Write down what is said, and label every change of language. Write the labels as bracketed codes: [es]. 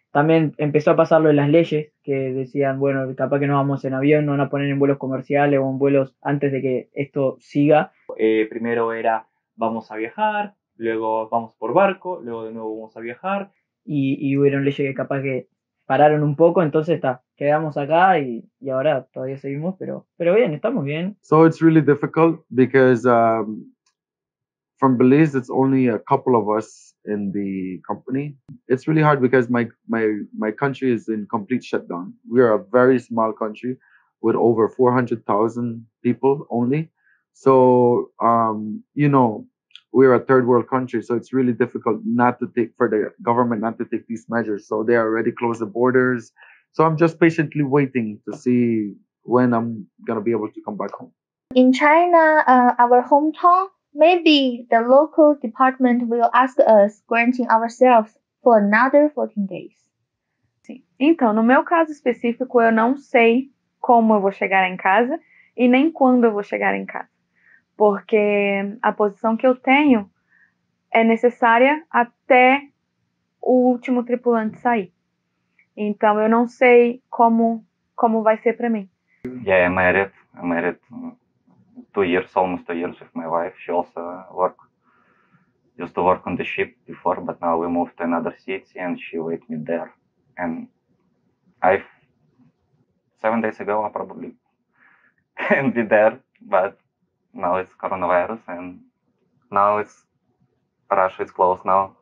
[es] también empezó a pasar lo de las leyes, que decían, bueno, capaz que no vamos en avión, no van a poner en vuelos comerciales o en vuelos antes de que esto siga. Primero era, vamos a viajar, luego vamos por barco, luego de nuevo vamos a viajar. Y hubieron leyes que capaz que pararon un poco, entonces está, quedamos acá y ahora todavía seguimos, pero bien, estamos bien. [en] So it's really difficult because from Belize it's only a couple of us in the company. It's really hard because my country is in complete shutdown. We are a very small country with over 400,000 people only. So, we are a third world country, so it's really difficult for the government not to take these measures. So they already closed the borders. So I'm just patiently waiting to see when I'm going to be able to come back home. In China, our hometown, maybe the local department will ask us granting ourselves for another 14 days. [pt] Sim. Então, no meu caso específico, eu não sei como eu vou chegar em casa e nem quando eu vou chegar em casa. Porque a posição que eu tenho é necessária até o último tripulante sair. Então, eu não sei como vai ser para mim. [en] Yeah, I'm married 2 years, almost 2 years with my wife. She also used to work on the ship before, but now we moved to another city and she waited me there. And 7 days ago, I probably can't be there, but now it's coronavirus and now it's Russia is closed now.